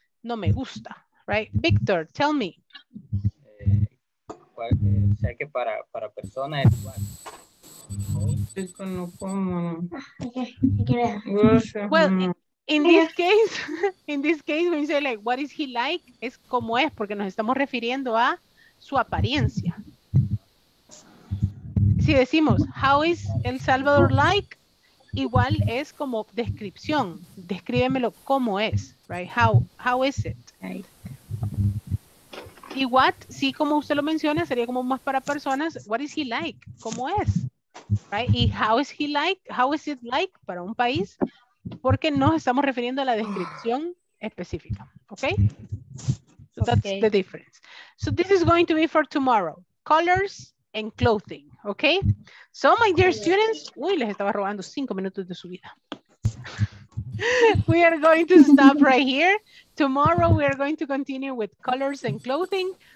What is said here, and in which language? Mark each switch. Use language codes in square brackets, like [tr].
[es] No me gusta, right? Victor, [en] tell me. [es] Sé que para personas es igual. [en] Well, in this case, when you say like, what is he like? [es] Es como es, porque nos estamos refiriendo a su apariencia. Si decimos, [en] how is El Salvador like? [es] Igual es como descripción. Descríbemelo cómo es, right? [en] How is it? [es] Y what, sí, como usted lo menciona, sería como más para personas. [en] What is he like? [es] ¿Cómo es? Right? [en] Y how is he like? How is it like [es] para un país? Porque nos estamos refiriendo a la descripción específica. [en] Okay? So that's the difference. So this is going to be for tomorrow. Colors and clothing. [es] Okay, [en] so my dear students, [es] uy, les estaba robando 5 minutos de su vida. [en] We are going to stop right here. Tomorrow we are going to continue with colors and clothing.